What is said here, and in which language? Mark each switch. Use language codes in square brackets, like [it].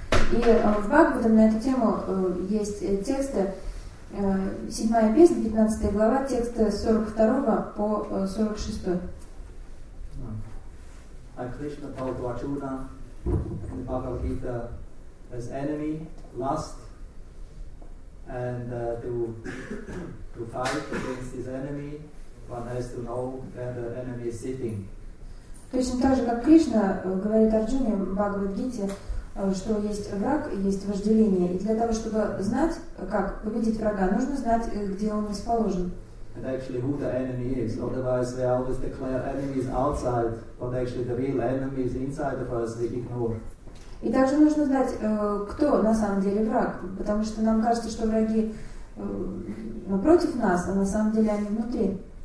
[ru] И в Бхагаватам на эту тему есть тексты, седьмая песня, 15 глава, тексты 42 по 46. [en] Кришна told Арджуна in the Bhagavad Gita as enemy, lust, and to fight against his enemy, one has to know where the enemy is sitting. [ru] Точно так же, как Кришна говорит Арджуне в Бхагавад Гите, что есть враг, есть вожделение. И для того, чтобы знать, как победить врага, нужно знать, где он расположен. [en] and actually who the enemy is. Otherwise, we always declare enemies outside, but actually the real enemy is inside of us, we ignore. [ru] И также нужно знать, кто на самом деле враг, потому что нам кажется, что враги против нас, а на самом деле они внутри.